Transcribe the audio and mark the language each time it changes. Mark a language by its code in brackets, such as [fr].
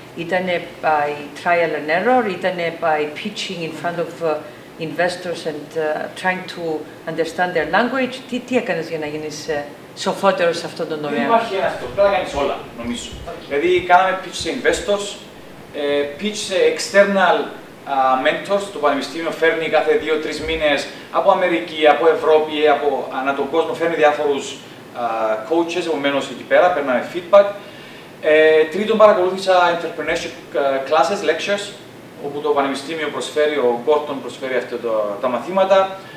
[el] Ήτανε [en] by trial and error, ήτανε by pitching in front of investors and trying to understand their language? [el] Τι έκανες για να γίνεις σοφότερο σε αυτόν τον τομέα? Δεν υπάρχει ένα αυτό. Πρέπει να κάνει όλα, νομίζω. Okay. Δηλαδή, κάναμε pitch σε investors, pitch σε external mentors. Το Πανεπιστήμιο φέρνει κάθε 2-3 μήνες από Αμερική, από Ευρώπη, από ανά τον κόσμο. Φέρνει διάφορους coaches, επομένως εκεί πέρα, παίρνουμε feedback. Τρίτον, παρακολούθησα entrepreneurship classes, lectures, όπου το Πανεπιστήμιο προσφέρει, ο Gorton προσφέρει αυτά τα μαθήματα.